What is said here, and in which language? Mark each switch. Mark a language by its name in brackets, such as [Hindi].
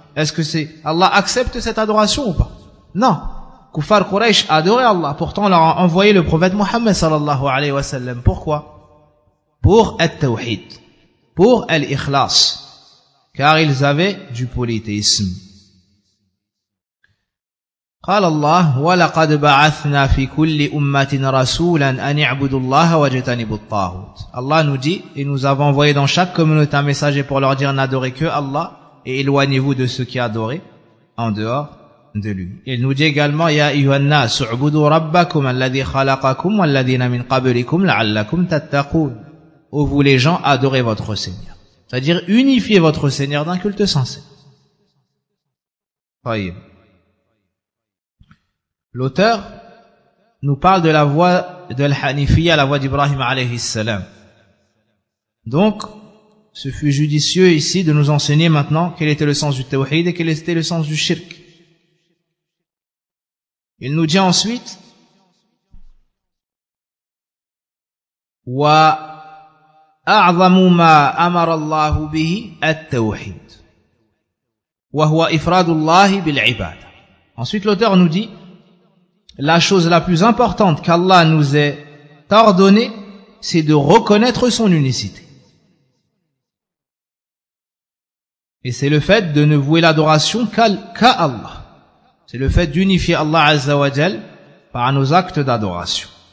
[French] Est-ce que c'est, Allah accepte cette adoration ou pas? Non. Kuffar Quraysh adorait Allah, pourtant on leur a envoyé le prophète Muhammad sallallahu alayhi wa sallam. Pourquoi? Pour al-tawhid, pour al-ikhlas, car ils avaient du polythéisme. [Arabic] قال الله ولقد بعثنا في كل أمة رسولا أن يعبدوا الله واجتنبوا الطاغوت. [French] Allah nous dit, et nous avons envoyé dans chaque communauté un messager pour leur dire n'adorez que Allah et éloignez-vous de ceux qui adorent en dehors de lui. Il nous dit également [Arabic] يا أيها الناس اعبدوا ربكم الذي خلقكم والذين من قبلكم لعلكم تتقون. [French] où vous les gens adorez votre Seigneur. C'est-à-dire unifiez votre Seigneur d'un culte sincère. Voyez. L'auteur nous parle de la voie de l'Hanifiyya, la voie d'Ibrahim alayhi salam. Donc, ce fut judicieux ici de nous enseigner maintenant quel était le sens du tawhid et quel était le sens du shirk. Il nous dit ensuite, [Arabic] وأعظم ما أمر الله به التوحيد وهو إفراد الله بالعبادة. [French] Ensuite l'auteur nous dit, la chose la plus importante qu'Allah nous ait ordonnée, c'est de reconnaître son unicité. Et c'est le fait de ne vouer l'adoration qu'à Allah. C'est le fait d'unifier Allah Azza wa Jal par nos actes d'adoration.